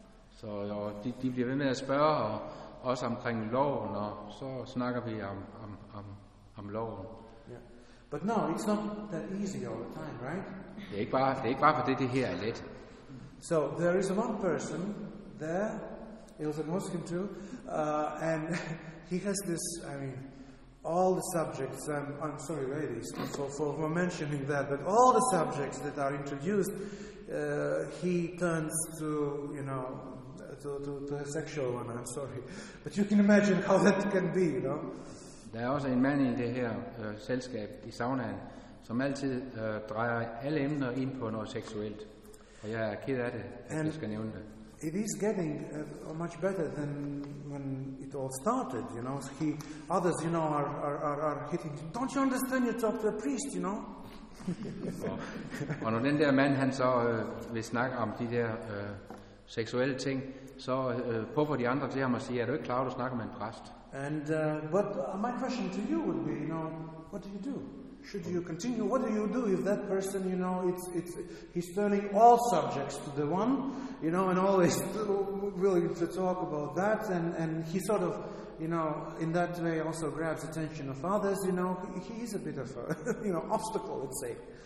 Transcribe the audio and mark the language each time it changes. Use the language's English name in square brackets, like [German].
[Danish] så og de bliver ved med at spørge og også omkring loven, og så snakker vi om loven. [English] Yeah. But no, it's not that easy all the time, right? [Danish] Det er ikke bare for det her er let. [English] So there is one person there, it was a Muslim too, and he has this, I mean, all the subjects, I'm sorry ladies for mentioning that, but all the subjects that are introduced, he turns to, you know, to a sexual one, I'm sorry. But you can imagine how that can be, you know. [Danish] Der er også en mand i det her selskab i saunaen, som altid drejer alle emner ind på noget seksuelt. Og jeg er ked af det, at jeg skal nævne det. [English] It is getting much better than when it all started, you know. He, others, you know, are hitting, don't you understand, you talk to a priest, you know. [Danish] Og når den der mand, han så vil snakke om de der seksuelle ting, så påfører de andre til ham og siger, er du ikke klar, at du snakker med en præst? [English] And what my question to you would be, you know, what do you do? Should you continue? What do you do if that person, you know, he's turning all subjects to the one, you know, and always willing to talk about that, and he sort of, you know, in that way also grabs attention of others, you know, he is a bit of a, you know, obstacle, let's say.